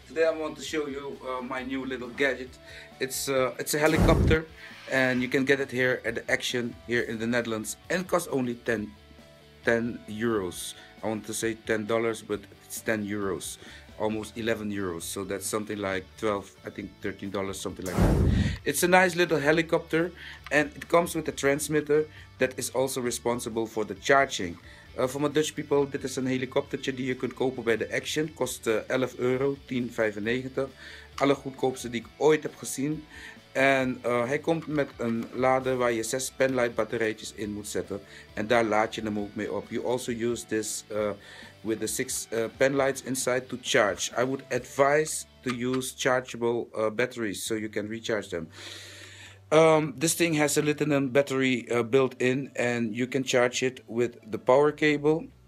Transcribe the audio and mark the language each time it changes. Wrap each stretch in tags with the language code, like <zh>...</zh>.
<en>Today I want to show you my new little gadget. It's a helicopter, and you can get it here at the Action here in the Netherlands, and it costs only 10 euros. I want to say $10, but it's 10 euros, almost 11 euros. So that's something like 12, I think $13, something like that. It's a nice little helicopter, and it comes with a transmitter that is also responsible for the charging. For my Dutch people,</en> <nl>dit is een helikoptertje die je kunt kopen bij de Action. Kost 11 euro, 10,95. Allergoedkoopste die ik ooit heb gezien. En hij komt met een lader waar je 6 penlight batterijtjes in moet zetten. En daar laad je hem ook mee op.</nl> <en>You also use this with the 6 penlights inside to charge. I would advise to use chargeable batteries so you can recharge them. This thing has a lithium battery built in, and you can charge it with the power cable.</en>